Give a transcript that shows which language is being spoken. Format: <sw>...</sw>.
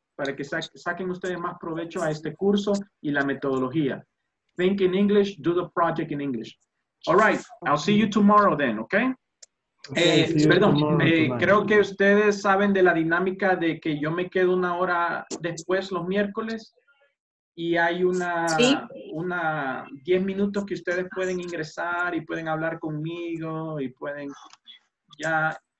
<es>Para que saquen ustedes más provecho a este curso y la metodología.</es> <en>Think in English, do the project in English. All right, I'll see you tomorrow then, okay?</en> <es>Creo que ustedes saben de la dinámica de que yo me quedo una hora después los miércoles y hay una 10 minutos que ustedes pueden ingresar y pueden hablar conmigo y pueden ya...</es>